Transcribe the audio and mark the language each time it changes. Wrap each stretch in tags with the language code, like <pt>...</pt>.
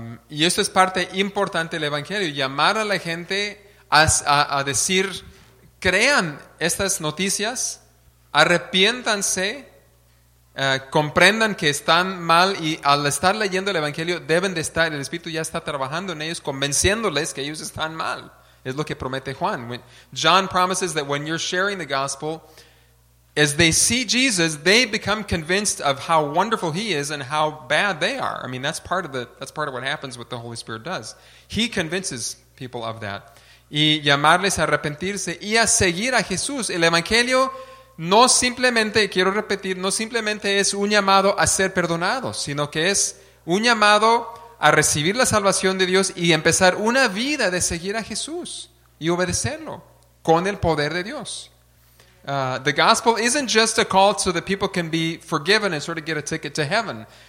<es>Y esto es parte importante del Evangelio, llamar a la gente a decir, crean estas noticias, arrepiéntanse, comprendan que están mal, y al estar leyendo el Evangelio deben de estar, el Espíritu ya está trabajando en ellos, convenciéndoles que ellos están mal. Es lo que promete Juan.</es> <en>John promises that when you're sharing the gospel, as they see Jesus, they become convinced of how wonderful he is and how bad they are. I mean, that's part of what happens, what the Holy Spirit does. He convinces people of that.</en> <es>Y llamarles a arrepentirse y a seguir a Jesús. El Evangelio no simplemente, quiero repetir, no simplemente es un llamado a ser perdonados, sino que es un llamado a recibir la salvación de Dios y empezar una vida de seguir a Jesús y obedecerlo con el poder de Dios.</es> <en>The gospel isn't just a call so that people can be forgiven and sort of get a ticket to heaven.</en>